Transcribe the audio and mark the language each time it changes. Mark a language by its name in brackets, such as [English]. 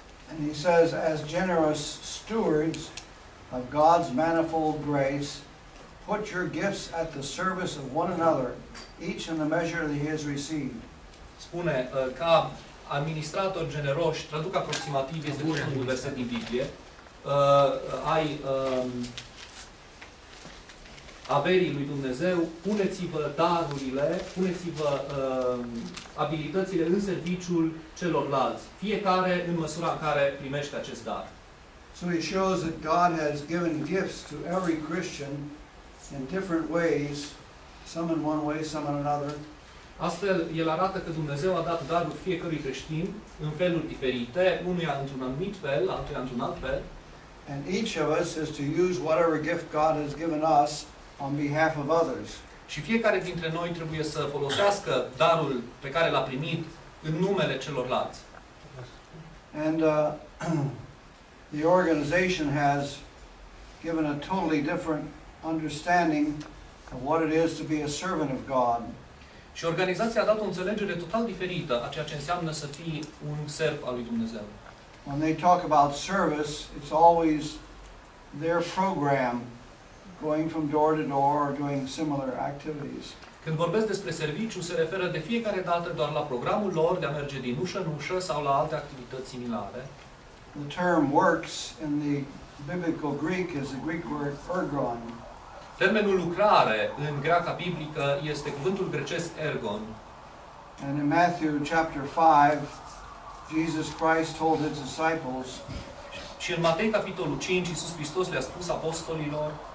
[English] And he says, as generous stewards of God's manifold grace, put your gifts at the service of one another, each in the measure that he has received. [Romanian] Spune ca administrator generos, traduc aproximativ, este primul verset din Biblie, ai averii lui Dumnezeu, puneți-vă darurile, puneți-vă abilitățile în serviciul celorlalți. Fiecare în măsura în care primește acest dar. [English] So it shows that God has given gifts to every Christian in different ways, some in one way, some in another. [Romanian] Astfel, el arată că Dumnezeu a dat darul fiecărui creștin în feluri diferite, unuia într-un anumit fel, altuia într-un alt fel. [English] And each of us is to use whatever gift God has given us on behalf of others. [Romanian] Și fiecare dintre noi trebuie să folosească darul pe care l-a primit în numele celorlalți. [English] And the organization has given a totally different understanding of what it is to be a servant of God. [Romanian] Și organizația a dat o înțelegere total diferită a ceea ce înseamnă să fii un serv al lui Dumnezeu. [English] When they talk about service, it's always their program. Going from door to door or doing similar activities. [Romanian] Când vorbesc despre serviciu, se referă de fiecare dată doar la programul lor de a merge din ușă în ușă sau la alte activități similare. [English] The term works in the biblical Greek is the Greek word ergon. [Romanian] Termenul lucrare în greaca biblică este cuvântul grecesc ergon. [English] And in Matthew chapter 5, Jesus Christ told his disciples. [Romanian] Și în Matei capitolul 5, Iisus Hristos le-a spus apostolilor.